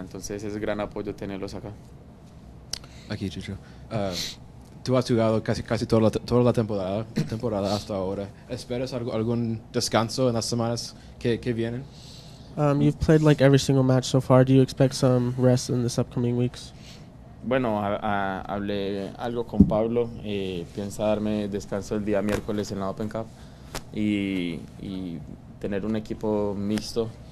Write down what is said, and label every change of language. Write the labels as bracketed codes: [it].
[es] Entonces, es gran apoyo tenerlos acá. Aquí, Chicho. Tú has jugado casi toda la temporada hasta ahora. ¿Esperas algún descanso en las semanas que vienen? [en] You've played like every single match so far. Do you expect some rest in this upcoming weeks? [es] Bueno, hablé algo con Pablo. Piensa darme descanso el día miércoles en la Open Cup y tener un equipo mixto.